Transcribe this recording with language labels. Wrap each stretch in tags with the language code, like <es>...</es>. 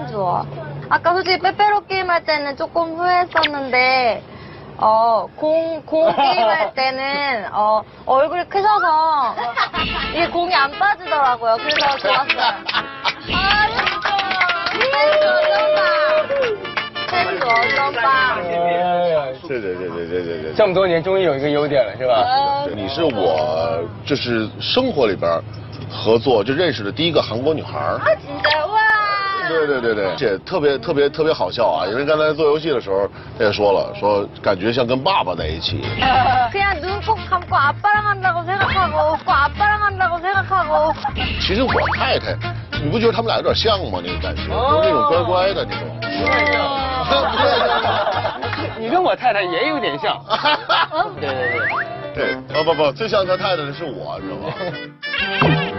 <ko>예예</ko> <zh>对，而且特别好笑啊！因为刚才做游戏的时候，他也说了，说感觉像跟爸爸在一起。</zh> <ko>그냥눈꼭감고아빠랑한다고생각하고꼭아빠랑한다고생각하고</ko> <zh>其实我太太，你不觉得他们俩有点像吗？那个感觉，都是那种乖乖的那种。你跟我太太也有点像。对。不，最像他太太的是我，你知道吗？</zh>